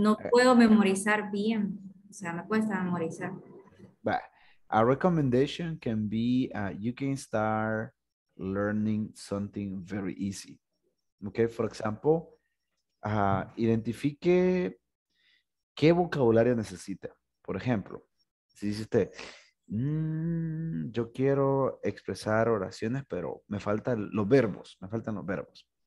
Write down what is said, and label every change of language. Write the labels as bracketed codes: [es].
[es] Puedo memorizar bien, o sea, me cuesta memorizar. [en] But a recommendation can be, you can start learning something very easy. [es] Okay, [en] for example, [es] identifique qué vocabulario necesita. Por ejemplo, si dice usted, Yo quiero expresar oraciones, pero me faltan los verbos. Me faltan los verbos.